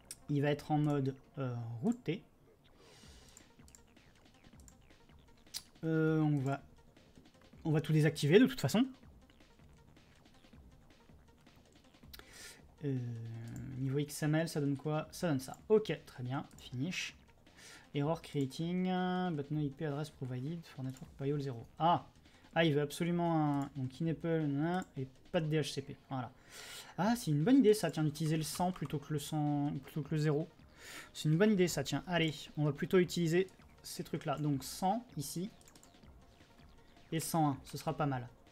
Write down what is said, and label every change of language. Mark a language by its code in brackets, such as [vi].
[fr] Il va être en mode routé. On va tout désactiver de toute façon. Niveau XML, ça donne quoi? Ça donne ça. Ok, très bien. Finish. [en] Error creating, but no IP address provided for network Paywall 0. [fr] Ah, il veut absolument un Kinepple et pas de DHCP. Voilà. Ah, c'est une bonne idée ça, tiens, d'utiliser le 100 plutôt que le 0. C'est une bonne idée ça, tiens. Allez, on va plutôt utiliser ces trucs-là. Donc 100 ici. Et 101, ce sera pas mal.